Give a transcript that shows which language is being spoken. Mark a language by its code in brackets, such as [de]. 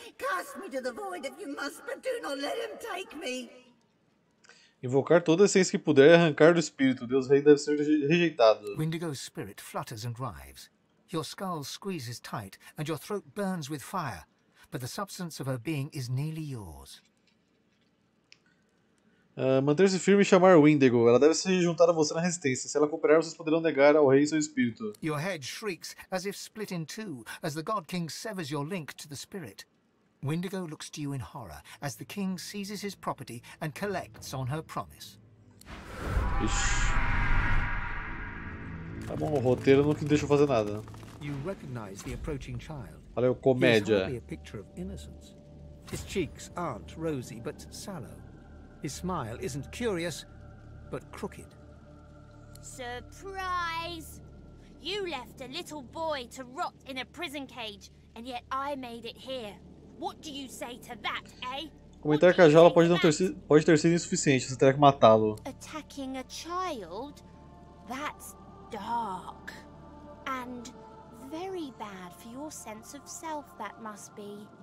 [en] Cast me to the void if you must, but do not let him take me. [pt] Invocar toda a essência que puder e arrancar do espírito. Deus Rei deve ser rejeitado. [en] Windigo's spirit flutters and writhes. Your skull squeezes tight, and your throat burns with fire, but the substance of her being is nearly yours. [pt] Manter-se firme e chamar Windigo. Ela deve se juntar a você na resistência. Se ela cooperar, vocês poderão negar ao rei seu espírito. [en] Your head shrieks as if split in two, as the God King severs your link to the spirit. Windigo looks to you in horror as the king seizes his property and collects on her promise. [pt] Ixi. Tá bom, o roteiro não que deixa eu fazer nada. [en] You recognize the approaching child. [pt] Valeu, comédia. [en] He's hardly a picture of innocence. His cheeks aren't rosy, but sallow. His smile isn't curious, but crooked. Surprise! You left a little boy to rot in a prison cage, and yet I made it here. What do you say to that, eh? [pt] Comentar que a jaula pode ter sido insuficiente, você terá que matá-lo. [en] Attacking a child? That's dark. And very bad for your sense of self, that must be.